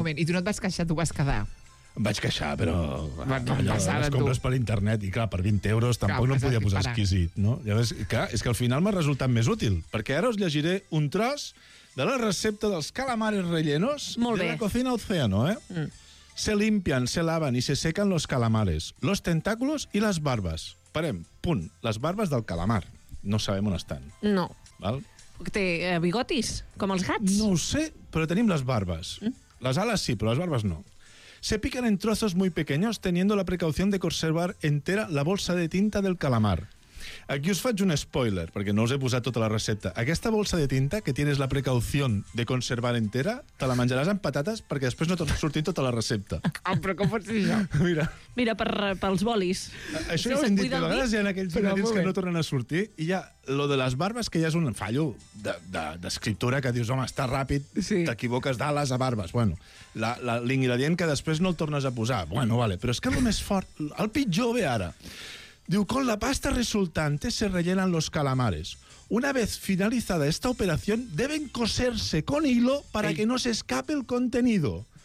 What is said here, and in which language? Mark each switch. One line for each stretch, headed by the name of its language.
Catalan: moment, i tu no et vas queixar, tu vas quedar... Em vaig queixar, però... Les compres per internet, i clar, per 20 euros tampoc no podia posar exquisit, no? Llavors, clar, és que al final m'ha resultat més útil, perquè ara us llegiré un tros de la recepta dels calamares rellenos de La cocina Océano, eh? Mm.
Spanish: Se limpian, se lavan y se secan los calamares, los tentáculos y las barbas.
Catalan: Parem, punt, les barbes del calamar. No sabem on estan. No. Val? Té bigotis, com els gats. No ho sé, però tenim les barbes. Mm. Les ales sí, però les barbes no.
Spanish: Se pican en trozos muy pequeños, teniendo la precaución de conservar entera la bolsa de tinta del calamar.
Catalan: Aquí os faig un spoiler, perquè no us he posat tota la recepta. Aquesta bolsa de tinta,
Spanish: que tienes la precaución de conservar entera,
Catalan: te la menjaràs amb patates perquè després no t'ha sortit tota la recepta. Ah, però com pots dir això? Mira, pels bolis. Això ja ho hem dit, a vegades hi ha aquells gelatins que no tornen a sortir, i hi ha lo de les barbes, que ja és un fallo d'escriptura, que dius, home, està ràpid, t'equivoques d'ales a barbes. Bueno, l'ingredient que després no el tornes a posar. Bueno, vale, però és que el més fort, el pitjor ve ara. Diu,
Spanish: con la pasta resultante se rellenan los calamares. Una vez finalizada esta operación, deben coserse con hilo para que no se escape el contenido.